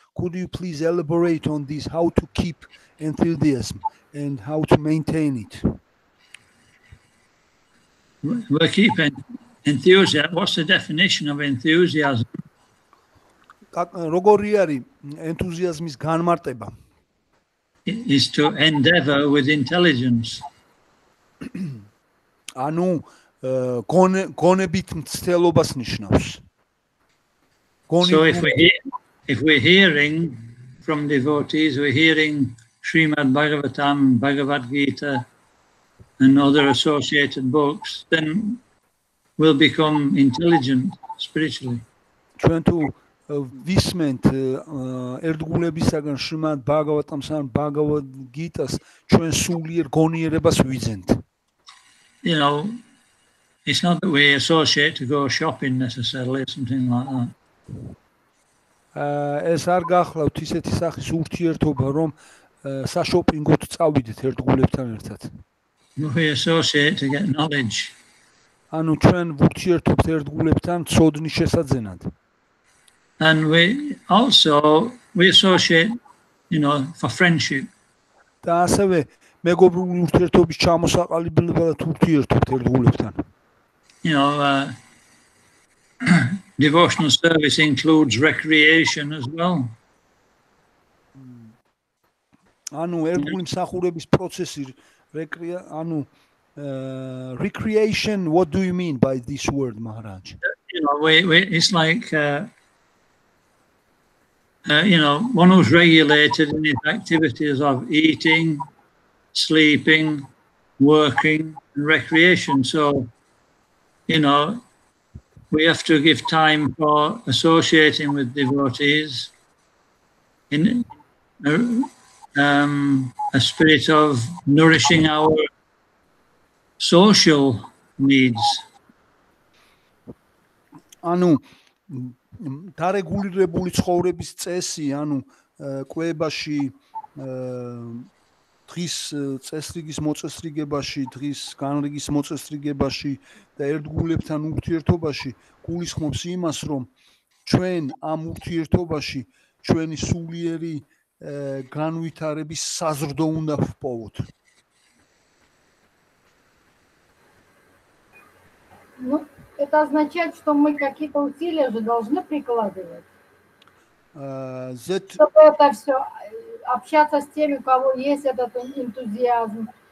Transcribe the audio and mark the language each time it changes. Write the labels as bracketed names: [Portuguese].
[English] Could you please elaborate on this, how to keep enthusiasm and how to maintain it? We're keeping enthusiasm. What's the definition of enthusiasm? [Georgian] როგორი არის ენთუზიაზმის განმარტება? [English] Is to endeavor with intelligence. [Georgian] Anu gonebit mtselobas nishnaus. [English] So if we're hearing from devotees, we're hearing Srimad Bhagavatam, Bhagavad Gita and other associated books, then we'll become intelligent spiritually. [Georgian] Chuan tu ვისმენთ ერთგულებისაგან შრიმად ბაგავატამს ან ბაგავად გიტას ჩვენ სულიერ გონიერებას ვიძენთ. [English] You know, it's not that we associate to go shopping necessarily something like that. [Georgian] ეს არ გახლავთ ისეთი სახის ურთიერთობა რომ საშოპინგოდ წავიდეთ ერთგულებთან ერთად. [English] We associate to get knowledge. [Georgian] ანუ ჩვენ ურთიერთობთ ერთგულებთან ცოდნის შესაძენად. [English] And we also associate, you know, for friendship. [Georgian] Და ასევე მეგობრული ურთიერთობის ჩამოსაყალიბებლად ურთიერთობთ ერთგულებთან. [English] You know, devotional service includes recreation as well. [Georgian] ანუ ერთგული მსახურების პროცესი რეკრეა ანუ [English] recreation, what do you mean by this word, Maharaj? You know, we it's like you know, one who's regulated in his activities of eating, sleeping, working, and recreation. So, you know, we have to give time for associating with devotees in a spirit of nourishing our social needs. Anu. [Georgian] დარეგულირებული ცხოვრების წესი, ანუ კვებაში დღის წესრიგის მოწესრიგებაში, დღის განრიგის მოწესრიგებაში და ერთგულებთან ურთიერთობაში გულისხმობს იმას, რომ ჩვენ ამ ურთიერთობაში ჩვენი სულიერი განვითარების საზრდო უნდა ვპოვოთ. [Russian] Это означает, что мы какие-то усилия же должны прикладывать. Чтобы это все общаться с теми, у кого есть этот энтузиазм.